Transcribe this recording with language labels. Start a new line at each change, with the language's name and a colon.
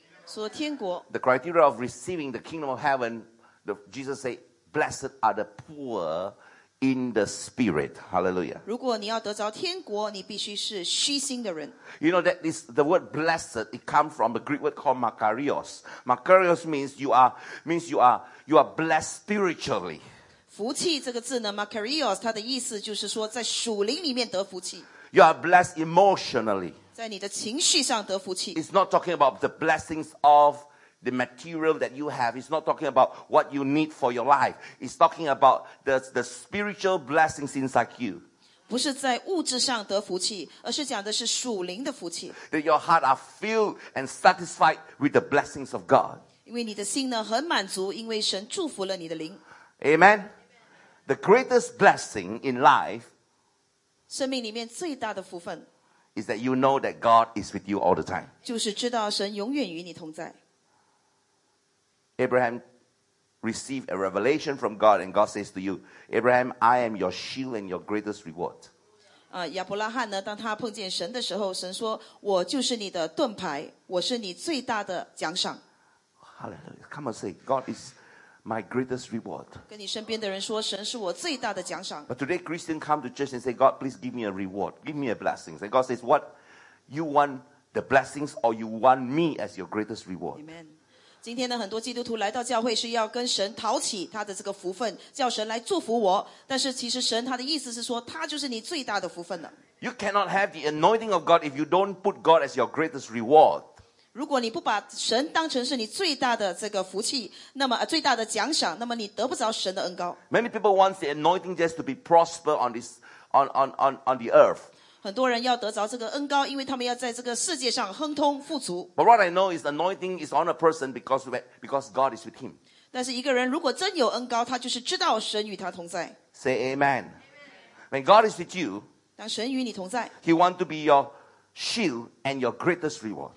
English: The criteria of receiving the kingdom of heaven, Jesus said, blessed are the poor in the spirit. Hallelujah.
Chinese: 如果你要得着天国，你必须是虚心的人。
English: You know that this, the word blessed, it comes from a Greek word called makarios. Makarios means you are blessed spiritually.
Chinese: 福气这个字呢 ,makarios, 它的意思就是说在属灵里面得福气。
English: You are blessed emotionally.
Chinese: 在你的情绪上得福气。
English: It's not talking about the blessings of the material that you have. It's not talking about what you need for your life. It's talking about the spiritual blessings inside you.
Chinese: 不是在物质上得福气，而是讲的是属灵的福气。
English: That your heart are filled and satisfied with the blessings of God.
Chinese: 因为你的心呢很满足，因为神祝福了你的灵。
English: Amen. The greatest blessing in life,
Chinese: 生命里面最大的福分，
English: is that you know that God is with you all the time.
Chinese: 就是知道神永远与你同在。
English: Abraham received a revelation from God, and God says to you, Abraham, I am your shield and your greatest reward.
Chinese: 亚伯拉罕呢，当他碰见神的时候，神说，我就是你的盾牌，我是你最大的奖赏。
English: Hallelujah. Come and say, God is my greatest reward.
Chinese: 跟你身边的人说，神是我最大的奖赏。
English: But today, Christians come to church and say, God, please give me a reward. Give me a blessing. And God says, what you want, the blessings, or you want me as your greatest reward? Amen.
Chinese: 今天呢，很多基督徒来到教会是要跟神讨起他的这个福分，叫神来祝福我。但是其实神他的意思是说，他就是你最大的福分了。
English: You cannot have the anointing of God if you don't put God as your greatest reward.
Chinese: 如果你不把神当成是你最大的这个福气，那么最大的奖赏，那么你得不着神的恩膏。
English: Many people want the anointing just to be prosper on the earth.
Chinese: 很多人要得着这个恩膏，因为他们要在这个世界上亨通富足。
English: But what I know is anointing is on a person because God is with him.
Chinese: 但是一个人如果真有恩膏，他就是知道神与他同在。
English: Say amen. When God is with you,
Chinese: 当神与你同在，
English: He wants to be your shield and your greatest reward.